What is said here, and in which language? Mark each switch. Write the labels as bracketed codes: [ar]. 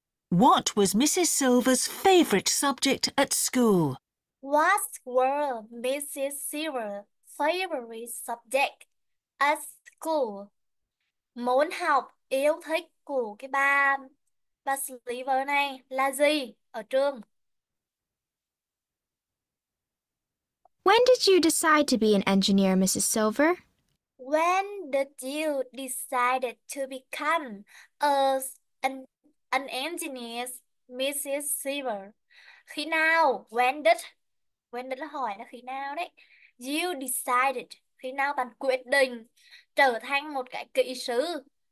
[en] What was Mrs. Silver's favorite subject at school? What were Mrs. Silver's favorite subject at school? [vi] Môn học yêu thích của cái bà Sliver này là gì ở trường? [en] When did you decide to be an engineer, Mrs. Silver? When did you decide to become an engineer, Mrs. [vi] Silver? Khi nào? [en] When did [vi] là hỏi là khi nào đấy? [en] You decided. [vi] Khi nào bạn quyết định trở thành một cái kỹ sư?